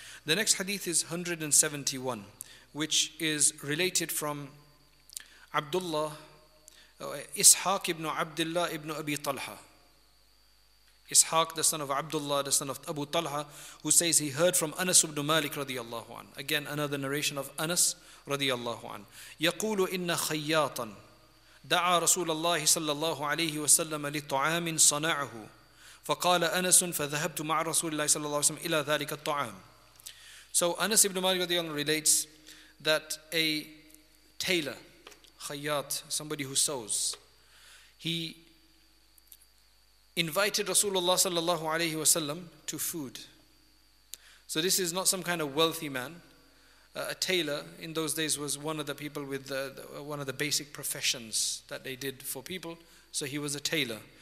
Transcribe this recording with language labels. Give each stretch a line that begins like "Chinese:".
English: The next hadith is 171, which is related from Abdullah, Ishaq ibn Abdullah ibn Abi Talha. Ishaq, the son of Abdullah, the son of Abu Talha, who says he heard from Anas ibn Malik radiallahu an. Again, another narration of Anas radiallahu an.
Arabic: يقول إن خياطا دعا رسول الله صلى الله عليه وسلم لطعام صنعه فقال أنس فذهبت مع رسول الله صلى الله عليه وسلم إلى ذلك الطعام.
English: So Anas ibn Malik relates that a tailor, khayyat, somebody who sews, he invited Rasulullah sallallahu alayhi wasallam to food. So this is not some kind of wealthy man. A tailor in those days was one of the people with one of the basic professions that they did for people. So he was a tailor.